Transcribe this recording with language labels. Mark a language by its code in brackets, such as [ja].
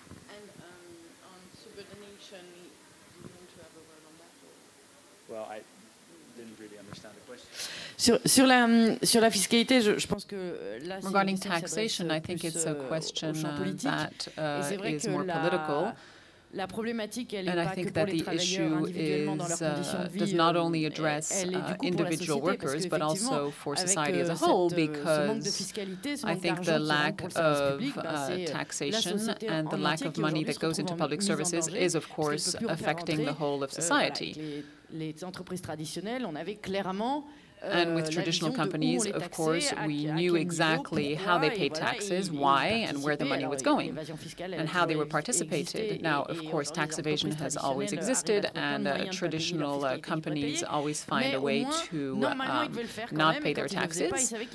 [en] And on subordination, do you want to have a word on that? Or? Well, I didn't really understand the question. [fr] Sur la fiscalité, je pense que là, [en] regarding taxation, I think it's a question that is more political. [fr] La problématique, elle n'est pas que pour les travailleurs individuellement dans leurs conditions de vie, elle est du coup pour la société, workers, parce qu'effectivement, avec ce manque de fiscalité, ce manque d'argent qui rentre pour le service public, c'est la société en entier qui aujourd'hui se trouve en mise en danger, puisque on ne peut plus faire entrer les entreprises traditionnelles, on avait clairement... [en] And with traditional companies, of course, we knew exactly how they paid taxes, why, and where the money was going, and how they were participated. Now, of course, tax evasion has always existed, and traditional companies always find a way to not pay their taxes.